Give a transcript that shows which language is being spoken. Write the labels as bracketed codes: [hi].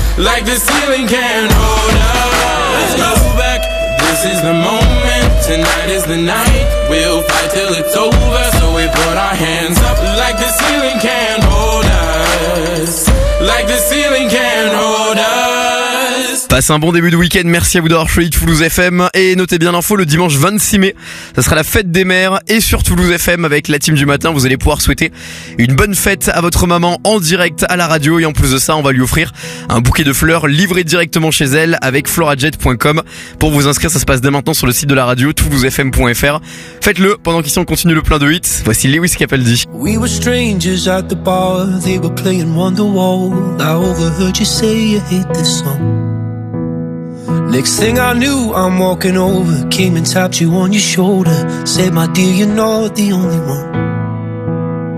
[en] Like the ceiling can't hold us. Let's go back. This is the moment. Tonight is the night. We'll fight till it's over. So we put our hands up like the ceiling can't hold us. Like the ceiling can't hold us. [fr] Passez un bon début de week-end. Merci à vous d'avoir choisi Toulouse FM. Et notez bien l'info, le dimanche 26 mai, ça sera la fête des mères. Et sur Toulouse FM, avec la team du matin, vous allez pouvoir souhaiter une bonne fête à votre maman en direct à la radio. Et en plus de ça, on va lui offrir un bouquet de fleurs livré directement chez elle avec florajet.com. Pour vous inscrire, ça se passe dès maintenant sur le site de la radio, toulousefm.fr. Faites-le pendant qu'ici on continue le plein de hits. Voici Lewis Capaldi. [en] We were strangers at the bar, they were playing Wonderwall. I overheard you say you hate this song. Next thing I knew, I'm walking over, came and tapped you on your shoulder, said, my dear, you're not the only one.